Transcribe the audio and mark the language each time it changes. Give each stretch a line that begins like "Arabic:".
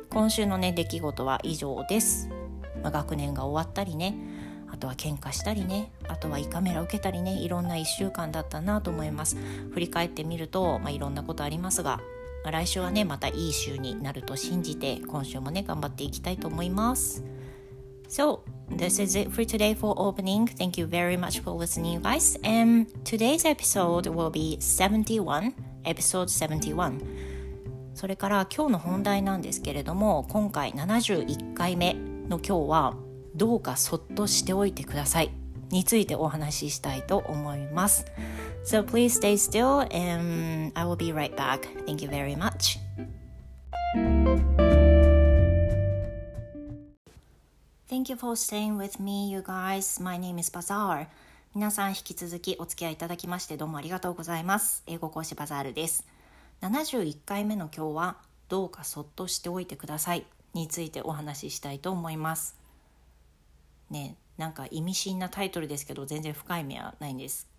Japanese: 今週のね、出来事は以上です。まあ、学年が終わったりね、あとは喧嘩したりね、あとは胃カメラ受けたりね、いろんな1週間だったなと思います。振り返ってみると、まあ、いろんなことありますが、まあ、来週はね、またいい週になると信じて、今週もね、頑張っていきたいと思います。
English: So, this is it for today for opening. Thank you very much for listening, guys. And today's episode will be 71, episode 71.
Japanese: それから今日の本題なんですけれども、今回71回目。の今日はどうかそっとしておいてくださいについてお話ししたいと思います。
English: So please stay still and I will be right back. Thank you very much. Thank you for staying with me, you guys. My name is Bazaar.
Japanese: 皆さん、引き続きお付き合いいただきましてどうもありがとうございます。英語講師バザールです。71回目の今日はどうかそっとしておいてくださいについてお話ししたいと思います、ね、なんか意味深なタイトルですけど、全然深い意味はないんです。